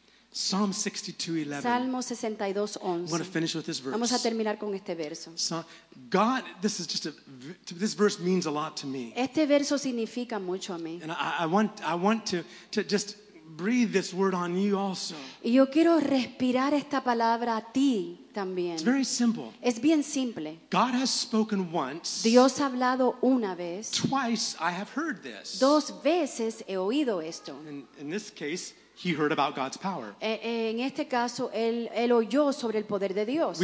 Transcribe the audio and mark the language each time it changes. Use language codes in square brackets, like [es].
[en] Psalm 62:11. [es] Salmo 62:11. [en] I want to finish with this verse. [es] Vamos a terminar con este verso. [en] God, this is just this verse means a lot to me. [es] Este verso significa mucho a mí. [en] And I want to just breathe this word on you also. [es] Yo quiero respirar esta palabra a ti también. [en] It's very simple. [es] Es bien simple. [en] God has spoken once. [es] Dios ha hablado una vez. [en] Twice I have heard this. [es] Dos veces he oído esto. [en] In this case, he heard about God's power. [es] En este caso, él oyó sobre el poder de Dios.